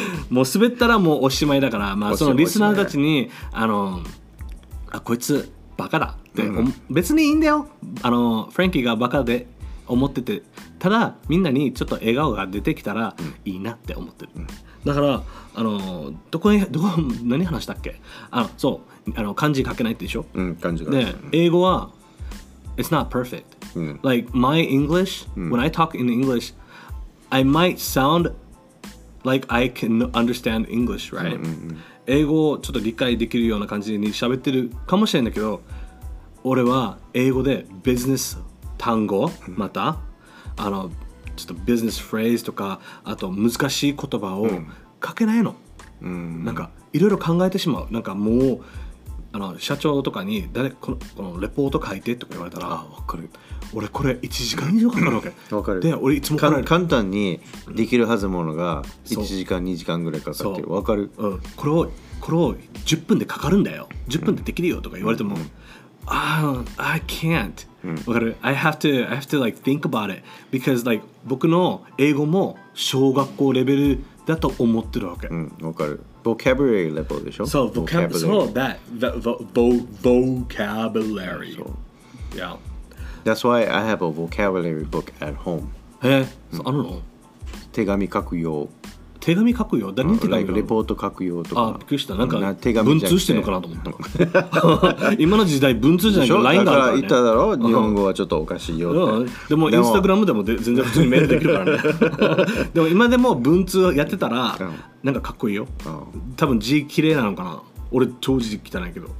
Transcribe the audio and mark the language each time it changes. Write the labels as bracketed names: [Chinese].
[Japanese] もう滑ったらもうおしまいだから、まあそのリスナーたちにあ、こいつバカだって、うん、別にいいんだよ、フランキーがバカで思ってて、ただみんなにちょっと笑顔が出てきたらいいなって思ってる、うん、だからどこ何話したっけ、そう、漢字書けないってでしょ、うん、漢字が、で英語は [English] It's not perfect、 [Japanese] うん、 [English] Like my English、うん、When I talk in English I might sound like I can understand English right、 [Japanese] うんうんうん、英語をちょっと理解できるような感じに喋ってるかもしれないんだけど、俺は英語でビジネス単語、またちょっとビジネスフレーズとか、あと難しい言葉を書けないの、うん、なんかいろいろ考えてしまう。なんかもう社長とかに誰か このレポート書いてとか言われたら、あ、分かる、俺これ1時間以上かかるわけ分かる、で俺いつも簡単にできるはずものが1時間2時間ぐらいかかってる、分かる、うん、これを10分でかかるんだよ、10分でできるよとか言われても、うん、 [English] I can't、 [Japanese] うん、分かる、 [English] I have to like think about it because like [Japanese] 僕の英語も小学校レベルだと思ってるわけ、うん、分かる、ボキャブラリーレベルでしょ、そう、ボキャブラリー、そう、ボキャブラリー、そう、 [English] yeah. That's why I have a vocabulary book at home. [Japanese] へ、うん、あるの、手紙書くよ、手紙書くよ、何手紙なの、レポート書くよとか、あ、びっくりした、なんか文通してるのかなと思った今の時代文通じゃないから LINE があるからね、言っただろ、日本語はちょっとおかしいよって、うん、でもインスタグラムでも全然普通にメールできるからねでも今でも文通やってたらなんかかっこいいよ、うん、多分字綺麗なのかな、俺超字汚いけど、